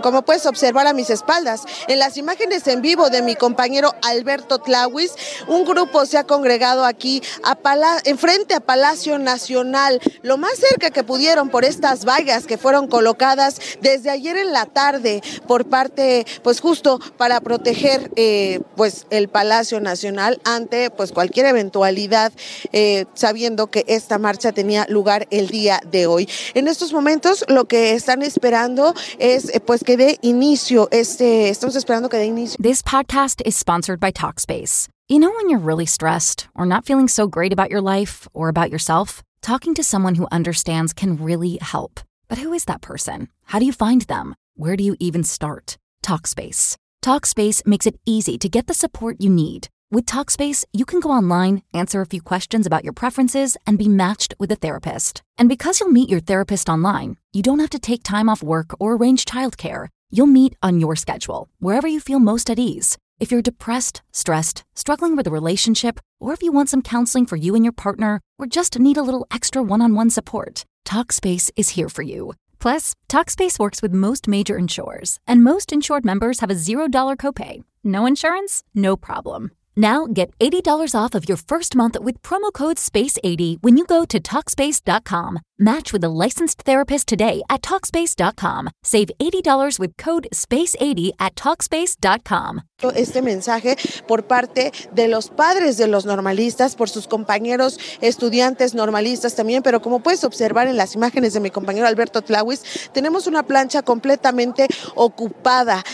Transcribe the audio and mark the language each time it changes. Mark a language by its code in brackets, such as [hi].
[es] Como puedes observar a mis espaldas, en las imágenes en vivo de mi compañero Alberto Tlahuis, un grupo se ha congregado aquí enfrente a Palacio Nacional, lo más cerca que pudieron por estas vallas que fueron colocadas desde ayer en la tarde por parte, pues justo para proteger el Palacio Nacional ante pues cualquier eventualidad, sabiendo que esta marcha tenía lugar el día de hoy. En estos momentos lo que están esperando es que dé inicio estamos esperando que dé inicio. [en] This podcast is sponsored by Talkspace. You know when you're really stressed or not feeling so great about your life or about yourself, talking to someone who understands can really help. But who is that person? How do you find them? Where do you even start? Talkspace. Talkspace makes it easy to get the support you need. With Talkspace, you can go online, answer a few questions about your preferences, and be matched with a therapist. And because you'll meet your therapist online, you don't have to take time off work or arrange childcare. You'll meet on your schedule, wherever you feel most at ease. If you're depressed, stressed, struggling with a relationship, or if you want some counseling for you and your partner, or just need a little extra one-on-one support, Talkspace is here for you. Plus, Talkspace works with most major insurers, and most insured members have a $0 copay. No insurance? No problem. Now, get $80 off of your first month with promo code SPACE80 when you go to Talkspace.com. Match with a licensed therapist today at Talkspace.com. Save $80 with code SPACE80 at Talkspace.com. [es] Este mensaje por parte de los padres de los normalistas, por sus compañeros estudiantes normalistas también, pero como puedes observar en las imágenes de mi compañero Alberto Tlahuis, tenemos una plancha completamente ocupada.